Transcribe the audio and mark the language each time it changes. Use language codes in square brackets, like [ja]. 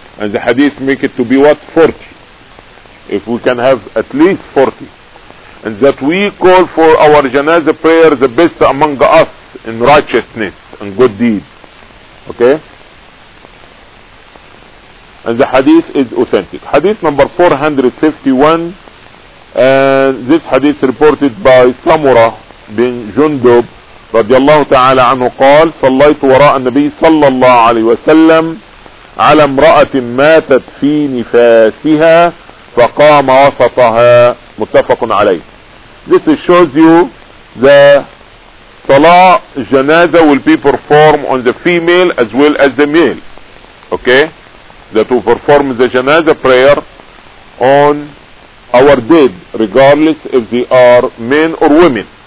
[en] And the hadith make it to be what? 40. If we can have at least 40, and that we call for our janazah prayer the best among us in righteousness and good deeds, okay. And the hadith is authentic. Hadith number 451, and this hadith reported by [ar] Samura bin Jundub رضي الله تعالى عنه قال صليت وراء النبي صلى الله عليه وسلم على امرأة ماتت في نفاسها فقام وسطها. متفق عليه. [en] This shows you the salah janazah will be performed on the female as well as the male, okay, that will perform the janazah prayer on our dead regardless if they are men or women.